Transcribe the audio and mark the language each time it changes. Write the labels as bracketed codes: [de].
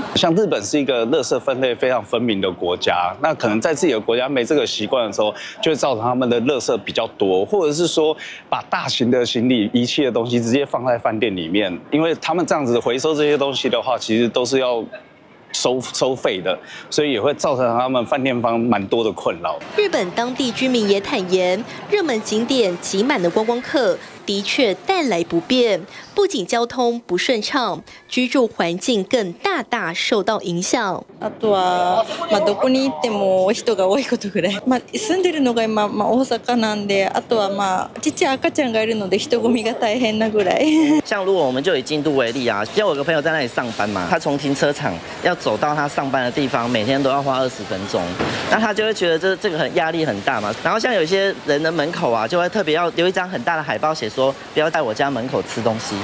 [zh] 像日本是一个垃圾分类非常分明的国家，那可能在自己的国家没这个习惯的时候，就会造成他们的垃圾比较多，或者是说把大型的行李遗弃的东西直接放在饭店里面，因为他们这样子回收这些东西的话，其实都是要收费的，所以也会造成他们饭店方蛮多的困扰。日本当地居民也坦言，热门景点挤满的观光客的确带来不便，不仅交通不顺畅，居住环境更大大受到影响。 [ja] あとは、まあどこに行っても人が多いことぐらい。まあ住んでるのが今まあ大阪なんで、あとはまあちっちゃい赤ちゃんがいるので人混みが大変なぐらい。 [zh] 像如果我们就以京都为例啊，因为我有个朋友在那里上班嘛，他从停车场要走到他上班的地方，每天都要花20分钟，那他就会觉得这个很压力很大嘛。然后像有些人的门口啊，就会特别要留一张很大的海报写说，不要在我家门口吃东西。